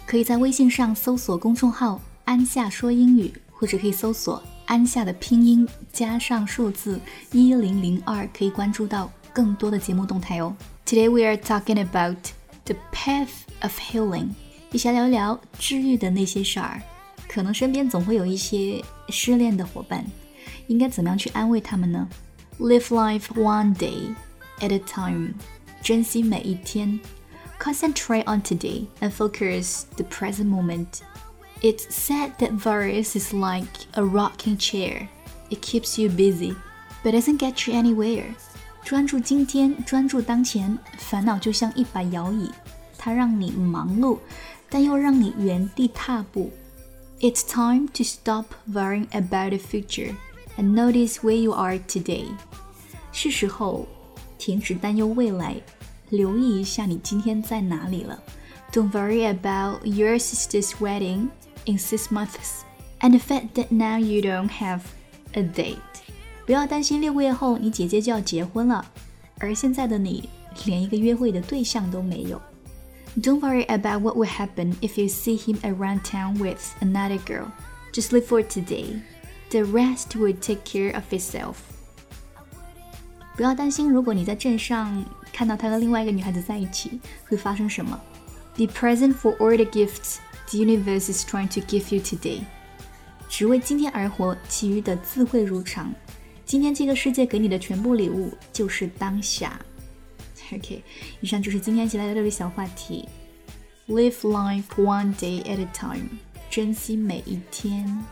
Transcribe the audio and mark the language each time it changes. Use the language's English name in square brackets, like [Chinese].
[Chinese] 可以在微信上搜索公众号安夏说英语，或者可以搜索安夏的拼音加上数字1002，可以关注到更多的节目动态哦。 [English] Today we are talking about the path of healing， [Chinese] 一起来聊一聊治愈的那些事儿。可能身边总会有一些失恋的伙伴，应该怎么样去安慰他们呢？ [English] Live life one day at a time. [Chinese] 珍惜每一天。 [English] Concentrate on today and focus the present moment. It's said that virus is like a rocking chair. It keeps you busy, but doesn't get you anywhere. [Chinese] 专注今天，专注当前，烦恼就像一把摇椅，它让你忙碌，但又让你原地踏步。 [English] It's time to stop worrying about the future. And notice where you are today. [Chinese] 是时候停止担忧未来，留意一下你今天在哪里了。 [English] Don't worry about your sister's wedding in 6 months. And the fact that now you don't have a date. [Chinese] 不要担心6个月后你姐姐就要结婚了，而现在的你连一个约会的对象都没有。 [English] Don't worry about what will happen if you see him around town with another girl. Just live for today. The rest will take care of itself. [Chinese] 不要担心如果你在镇上看到他和另外一个女孩子在一起会发生什么。 [English] Be present for all the gifts the universe is trying to give you today. [Chinese] 只为今天而活，其余的自会如常。今天这个世界给你的全部礼物就是当下。 OK， 以上就是今天起来的这个小话题。 [English] Live life one day at a time. [Chinese] 珍惜每一天。